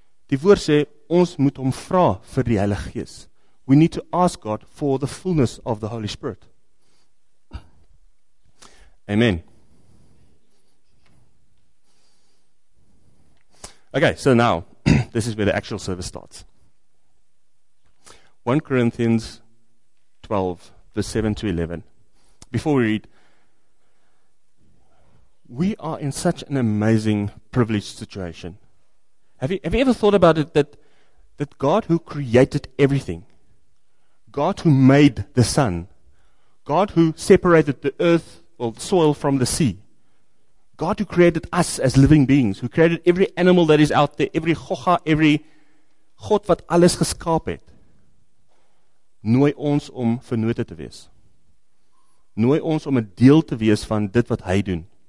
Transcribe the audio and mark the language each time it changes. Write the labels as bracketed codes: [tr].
[af] Die woord sê, ons moet hom vra vir die Heilige Gees. [en] We need to ask God for the fullness of the Holy Spirit. Amen. Okay, so now, this is where the actual service starts. 1 Corinthians 12, verse 7 to 11. Before we read, we are in such an amazing privileged situation. Have you ever thought about it that God who created everything, God who made the sun, God who separated the earth, well, the soil from the sea, God who created us as living beings, who created every animal that is out there, every gogga, every [af] God wat alles geskaap het, nooi ons om vennoote te wees. Nooi ons om 'n deel te wees van dit wat hy doen.